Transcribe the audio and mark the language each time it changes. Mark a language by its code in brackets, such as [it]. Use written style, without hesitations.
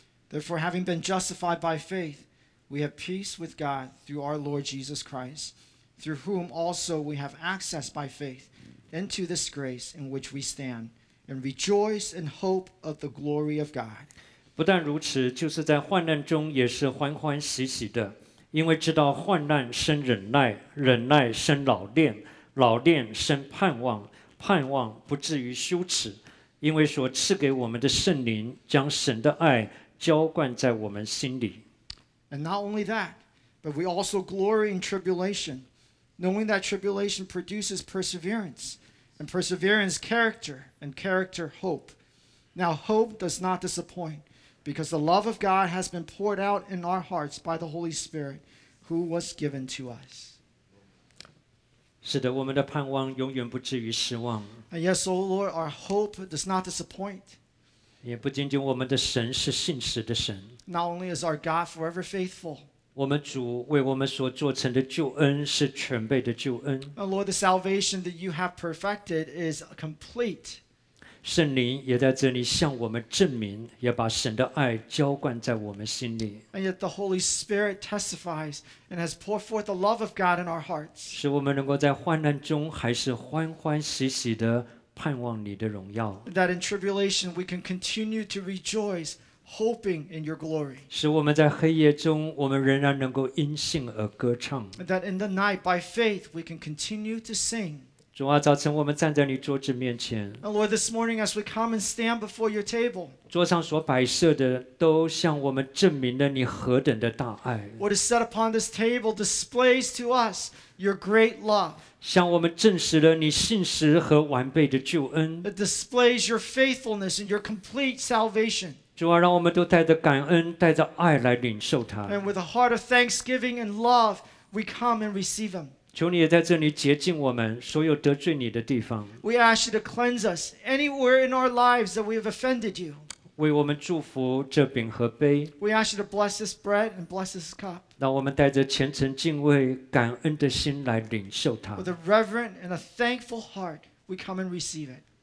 [en] Therefore, having been justified by faith, we have peace with God through our Lord Jesus Christ, through whom also we have access by faith into this grace in which we stand, and rejoice in hope of the glory of God. [zh] 不但如此，就是在患难中也是欢欢喜喜的，因为知道患难生忍耐，忍耐生老练。老练生盼望，盼望不至于羞耻，因为所赐给我们的圣灵将神的爱浇灌在我们心里。And [en] not only that, but we also glory in tribulation, knowing that tribulation produces perseverance, and perseverance character, and character hope. Now hope does not disappoint, because the love of God has been poured out in our hearts by the Holy Spirit, who was given to us. [zh] 是的，我们的盼望永远不至于失望。 [en] And yes, O Lord, our hope does not disappoint. [zh] 也不仅仅我们的神是信实的神。 [en] Not only is our God forever faithful. [zh] 我们主为我们所做成的救恩是全备的救恩。 [en] And Lord, the salvation that you have perfected is complete. [zh] 圣灵也在这里向我们证明，也把神的爱浇灌在我们心里。 [en] And yet the Holy Spirit testifies and has poured forth the love of God in our hearts. [zh] 使我们能够在患难中还是欢欢喜喜地盼望你的荣耀。 [en] That in tribulation we can continue to rejoice. Hoping in your glory. [zh] 使我们在黑夜中，我们仍然能够因信而歌唱。 [en] That in the night, by faith, we can continue to sing. [zh] 主啊，早晨我们站在你桌子面前。 [en] And Lord, this morning as we come and stand before your table. [zh] 桌上所摆设的，都向我们证明了你何等的大爱。 [en] What is set upon this table displays to us your great love. [zh] 向我们证实了你信实和完备的救恩。 [en] It displays your faithfulness and your complete salvation. [zh] 主啊，让我们都带着感恩，带着爱来领受他。 [en] And with a heart of thanksgiving and love, we come and receive him. [zh] 求你也在这里洁净我们所有得罪你的地方。 [en] We ask you to cleanse us anywhere in our lives that we have offended you. [zh] 为我们祝福这饼和杯。 [en] We ask you to bless this bread and bless this cup. [zh] 让我们带着虔诚敬畏感恩的心来领受他。 [en] With a reverent and a thankful heart, we come and receive it.